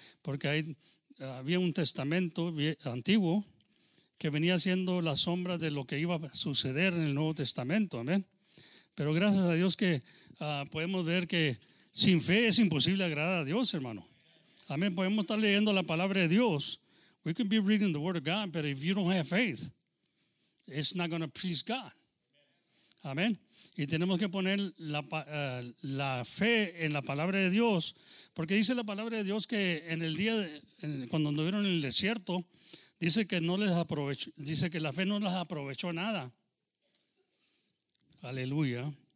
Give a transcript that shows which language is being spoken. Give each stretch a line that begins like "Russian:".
Spanish: Porque había un testamento antiguo que venía siendo la sombra de lo que iba a suceder en el Nuevo Testamento. Amén. Pero gracias a Dios que podemos ver que sin fe es imposible agradar a Dios, hermano. Amén. Podemos estar leyendo la palabra de Dios.
English: We can be reading the word of God, but if you don't have faith, it's not going to please God.
Spanish: Amén. Y tenemos que poner la fe en la palabra de Dios, porque dice la palabra de Dios que en el día cuando anduvieron en el desierto, dice que no les aprovechó, dice que la fe no les aprovechó nada. Aleluya.